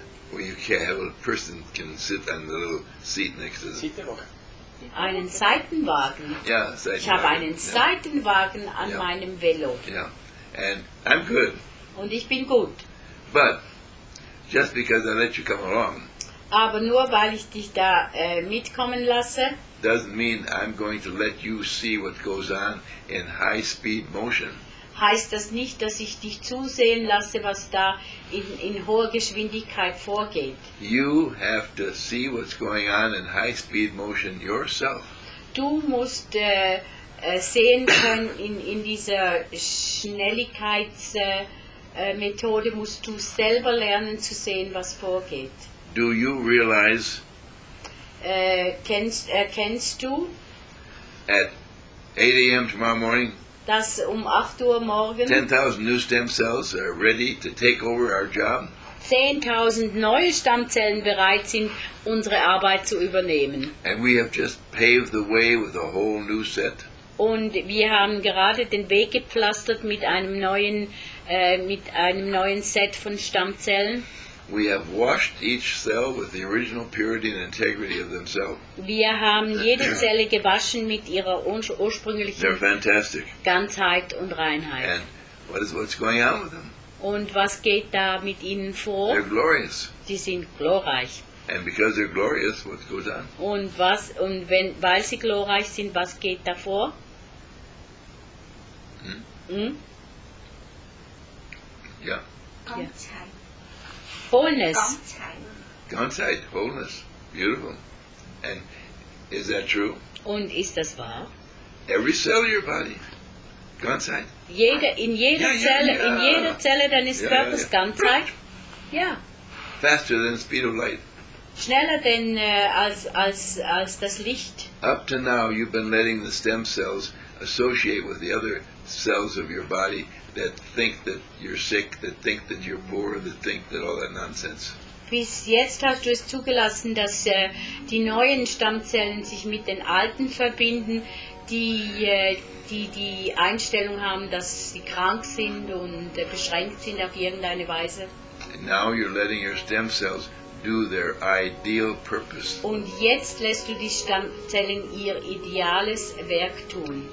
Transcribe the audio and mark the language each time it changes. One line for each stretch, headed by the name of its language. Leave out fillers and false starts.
English: Where you can have a person can sit on the little seat next to the.
German: Einen Seitenwagen. Ja, Seitenwagen. Ich habe einen Seitenwagen an meinem Velo.
English: Yeah, and I'm good.
German: Und ich bin gut.
English: But just because I let you come along.
German: Aber nur weil ich dich da mitkommen lasse.
English: Doesn't mean I'm going to let you see what goes on in high-speed motion.
German: Heißt das nicht, dass ich dich zusehen lasse, was da in hoher Geschwindigkeit vorgeht?
English: You have to see what's going on in high-speed motion yourself.
German: Du musst sehen können in dieser Schnelligkeitsmethode musst du selber lernen zu sehen, was vorgeht.
English: Do you realize?
German: Erkennst du?
English: At 8 a.m. tomorrow morning.
German: Dass 8 Uhr morgen.
English: 10,000 new stem cells are ready to take over our job.
German: 10,000 neue Stammzellen bereit sind, unsere Arbeit zu übernehmen.
English: And we have just paved the way with a whole new set.
German: Und wir haben gerade den Weg gepflastert mit einem neuen Set von Stammzellen.
English: We have washed each cell with the original purity and integrity of themselves.
German: Wir haben jede Zelle gewaschen mit ihrer ursprünglichen Ganzheit und Reinheit.
English: And what's going on with them?
German: Und was geht da mit ihnen vor?
English: They're glorious.
German: Die sind glorreich.
English: And because they're glorious, what goes on?
German: Und weil sie glorreich sind, was geht da vor? Ja.
English: Wholeness. Ganzheit, wholeness. Beautiful. And is that true?
German: Und ist das wahr?
English: Every cell of your body. Ganzheit.
German: In jeder Zelle deines Körpers Ganzheit. Ja.
English: Faster than the speed of light.
German: Schneller denn als das Licht.
English: Up to now you've been letting the stem cells associate with the other cells of your body that think that you're sick, that think that you're poor, that think that all that nonsense.
German: Bis jetzt hast du es zugelassen, dass die neuen Stammzellen sich mit den alten verbinden, die Einstellung haben, dass sie krank sind und beschränkt sind auf irgendeine Weise.
English: And now you're letting your stem cells do their ideal purpose.
German: Und jetzt lässt du die Stammzellen ihr ideales Werk tun.